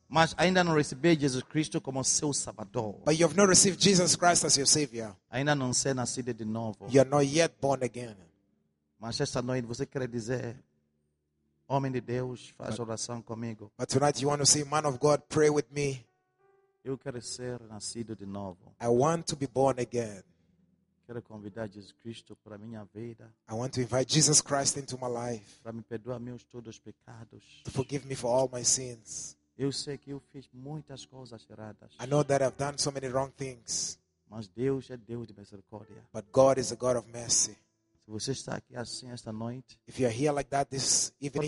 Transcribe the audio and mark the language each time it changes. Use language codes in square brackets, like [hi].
[pt] Mas ainda não recebeu Jesus Cristo como seu Salvador. [en] But you have not received Jesus Christ as your Savior. [pt] Ainda não ser nascido de novo. [en] You are not yet born again. [pt] Mas esta noite você quer dizer... Homem de Deus, faz oração comigo. [en] But tonight you want to see man of God pray with me. [pt] Eu quero ser nascido de novo. [en] I want to be born again. [pt] Quero convidar Jesus Cristo para minha vida. [en] I want to invite Jesus Christ into my life. [pt] Para me perdoar meus todos os pecados. [en] To forgive me for all my sins. [pt] Eu sei que eu fiz muitas coisas erradas. [en] I know that I've done so many wrong things. [pt] Mas Deus é Deus de misericórdia. [en] But God is a God of mercy. [pt] Se você está aqui assim esta noite, [en] if you are here like that this evening,